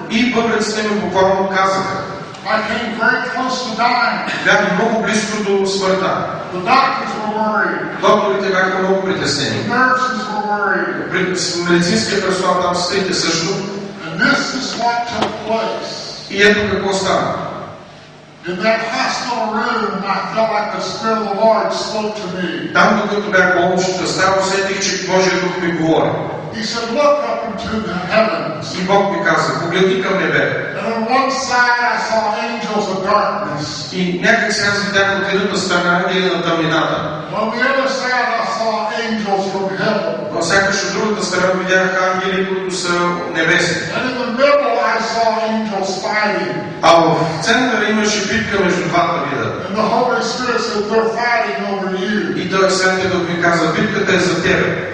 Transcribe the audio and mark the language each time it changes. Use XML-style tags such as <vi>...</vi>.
<bg>И бъбреците ми буквално казаха.</bg> <en>I came very close to dying.</en> <bg>Бях много близко до смъртта.</bg> <en>The doctors were worried.</en> <bg>Докторите бяха много притеснени.</bg> <en>The nurses were worried.</en> <bg>Медицинският персонал там стоите също.</bg> <en>And this is what took place.</en> <bg>И ето какво стана.</bg> <en>In that hospital room, I felt like the Spirit of the Lord spoke to me.</en> <bg>Там, докато бях болничната стая, усетих, че Божия Дух ми говори.</bg> <en>He said, look up into the heavens.</en> <bg>И Бог ми каза, погледни към небе.</bg> <en>And on one side, I saw angels of darkness.</en> <bg>И някак сега се видях от едната страна и на тъмнината.</bg> <en>On the other side, I saw angels from heaven.</en> <bg>Но сякаш от другата страна видях ангели, които са небесни.</bg> <en>And in the middle, I saw angels fighting.</en> <bg>А в центъра имаше битка между двата вида.</bg> <en>And the Holy Spirit said, they're fighting over you.</en> <bg>И той Святия Дух ми каза, битката е за тебе.</bg>